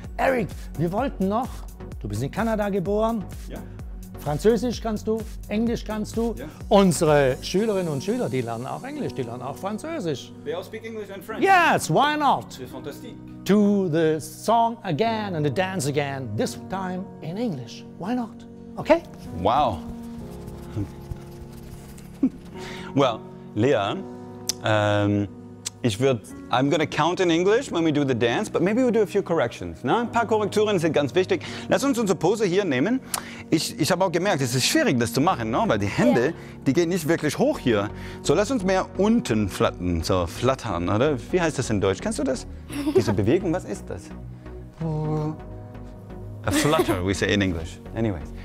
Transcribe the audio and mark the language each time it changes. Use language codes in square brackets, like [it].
[de] Eric, wir wollten noch, du bist in Kanada geboren, ja. Französisch kannst du, Englisch kannst du. Ja. Unsere Schülerinnen und Schüler, die lernen auch Englisch, die lernen auch Französisch. [en] They all speak English and French. Yes, why not? [de] Das ist fantastisch. [en] To the song again and the dance again, this time in English. Why not? Okay? Wow. Well, Lea, I'm gonna count in English when we do the dance, but maybe we'll do a few corrections. [de] Na? Ein paar Korrekturen sind ganz wichtig. Lass uns unsere Pose hier nehmen. Ich habe auch gemerkt, es ist schwierig, das zu machen, no? Weil die Hände, yeah, die gehen nicht wirklich hoch hier. So, lass uns mehr unten flattern, so flattern, oder? Wie heißt das in Deutsch? Kennst du das? Diese Bewegung, was ist das? [en] A flutter, we say in English. Anyways.